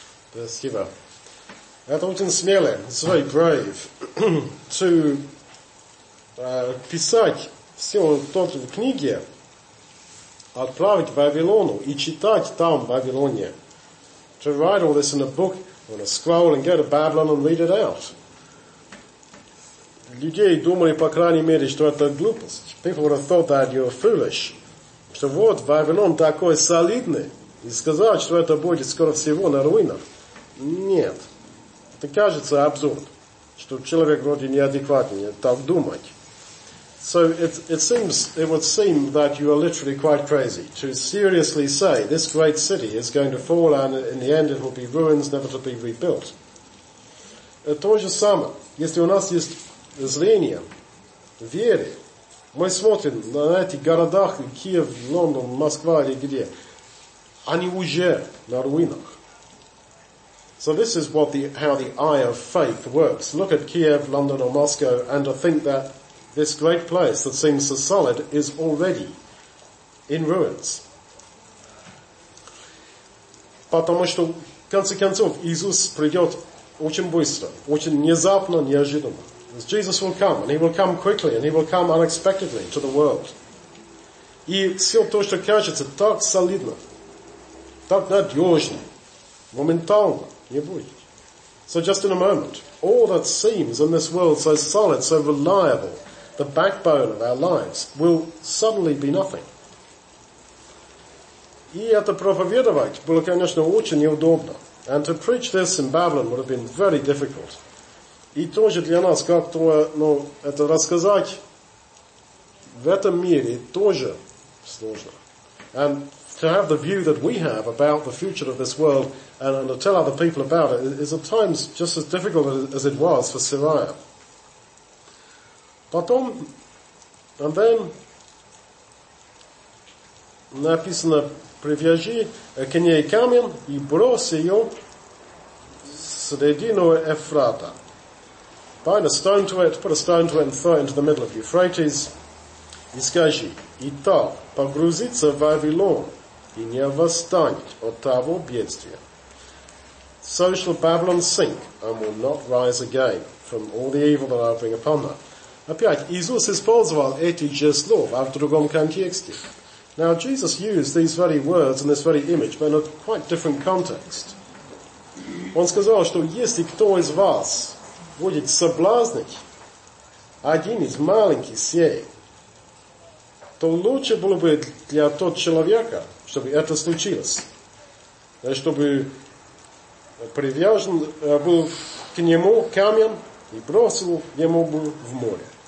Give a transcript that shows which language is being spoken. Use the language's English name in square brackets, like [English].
[Russian] Спасибо. Это очень смелый, [English] it's very brave, to [Russian] писать все то в книге, отправить в Вавилону и читать там, в Вавилоне. [English] To write all this in a book or a scroll and go to Babylon and read it out. [Russian] Людей думали, по крайней мере, что это глупость. [English] People would have thought that you're foolish. [Russian] Что вот Вавилон такой солидный, и сказать, что это будет скоро всего на руинах. Нет. Это кажется абсурд, что человек вроде неадекватный так думать. [English] So it would seem that you are literally quite crazy to seriously say this great city is going to fall and in the end it will be ruins, never to be rebuilt. [Russian] То же самое, если у нас есть зрение, вере, мы смотрим на эти города, Киев, Лондон, Москва или где, они уже на руинах. [English] So this is what how the eye of faith works. Look at Kiev, London or Moscow and to think that this great place that seems so solid is already in ruins. [Russian] Потому что, в конце концов, Иисус придет очень быстро, очень внезапно, неожиданно. [English] Jesus will come, and he will come quickly, and he will come unexpectedly to the world. [Russian] И все то, что кажется так солидно, так надежно, моментально не будет. [English] So just in a moment, all that seems in this world so solid, so reliable, the backbone of our lives will suddenly be nothing. [Russian] И это проповедовать было, конечно, очень неудобно. [English] And to preach this in Babylon would have been very difficult. [Russian] И тоже для нас как-то, ну, это рассказать в этом мире тоже сложно. [English] And to have the view that we have about the future of this world and to tell other people about it is at times just as difficult as it was for Sarai. [Russian] Потом, [English] and then, [Russian] написано, привяжи к ней камень и брось ее в середину Эфрата. [English] Bind a stone to it, put a stone to it, and throw it into the middle of Euphrates. [Russian] И скажи, и так погрузится в Вавилон, и не восстанет от того бедствия. [English] So shall Babylon sink, and will not rise again from all the evil that I will bring upon her. [Russian] Опять, Иисус использовал эти же слова в другом контексте. [English] Now, Jesus used these very words and this very image, but in a quite different context. [Russian] Он сказал, что если кто из вас будет соблазнить один из маленьких сей, то лучше было бы для того человека, чтобы это случилось, чтобы привязан был к нему камень и бросил ему в море.